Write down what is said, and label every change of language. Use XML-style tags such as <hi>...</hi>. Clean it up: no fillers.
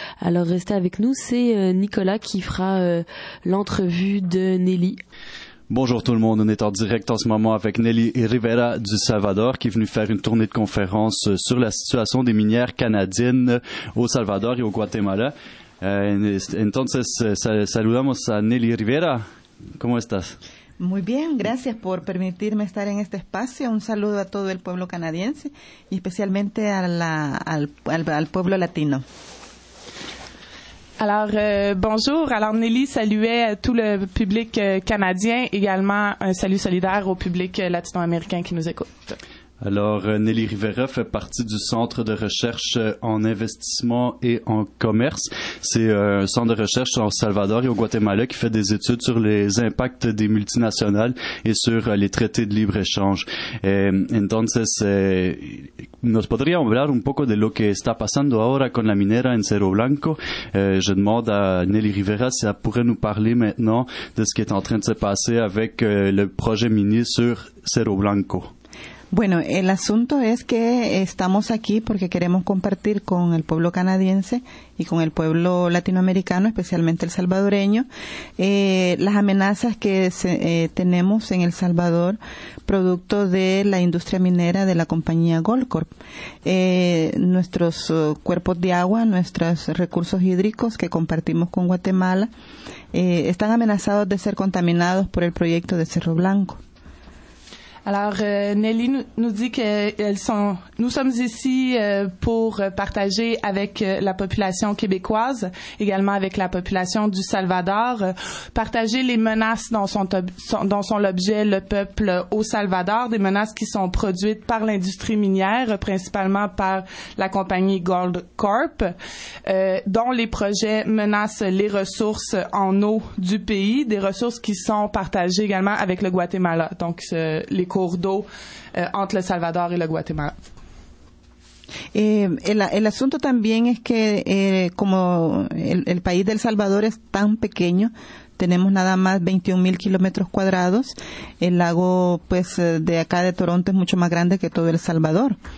<fr>Alors restez avec nous, c'est Nicolas qui fera l'entrevue de Nelly. Bonjour tout le monde, on est en direct en ce moment avec Nelly Rivera du Salvador qui est venue faire une tournée de conférence sur la situation des minières canadiennes au Salvador et au Guatemala.</fr> <es>Entonces, saludamos a Nelly Rivera. ¿Cómo estás? Muy bien, gracias por permitirme estar en este espacio. Un saludo a todo el pueblo canadiense y especialmente al pueblo latino.</es> <fr>Alors, bonjour. Alors, Nelly saluait tout le public canadien, également un salut solidaire au public latino-américain qui nous écoute. Alors, Nelly Rivera fait partie du Centre de recherche en investissement et en commerce. C'est un centre de recherche au Salvador et au Guatemala qui fait des études sur les impacts des multinationales et sur les traités de libre-échange.</fr> <es>Entonces, ¿nos podría hablar un poco de lo que está pasando ahora con la minera en Cerro Blanco?</es> <fr>Je demande à Nelly Rivera si elle pourrait nous parler maintenant de ce qui est en train de se passer avec le projet minier sur Cerro Blanco.</fr> <es>Bueno, el asunto es que estamos aquí porque queremos compartir con el pueblo canadiense y con el pueblo latinoamericano, especialmente el salvadoreño, las amenazas que tenemos en El Salvador producto de la industria minera de la compañía Goldcorp. Nuestros cuerpos de agua, nuestros recursos hídricos que compartimos con Guatemala, están amenazados de ser contaminados por el proyecto de Cerro Blanco.</es> <fr>Alors, Nelly nous dit que nous sommes ici pour partager avec la population québécoise, également avec la population du Salvador, partager les menaces dont sont l'objet le peuple au Salvador, des menaces qui sont produites par l'industrie minière, principalement par la compagnie Goldcorp, dont les projets menacent les ressources en eau du pays, des ressources qui sont partagées également avec le Guatemala, donc les cours d'eau entre El Salvador</fr> <es>y el Guatemala. El asunto también es que como el país de El Salvador es tan pequeño, tenemos nada más 21,000 kilómetros cuadrados, el lago pues de acá de Toronto es mucho más grande que todo El Salvador.</es>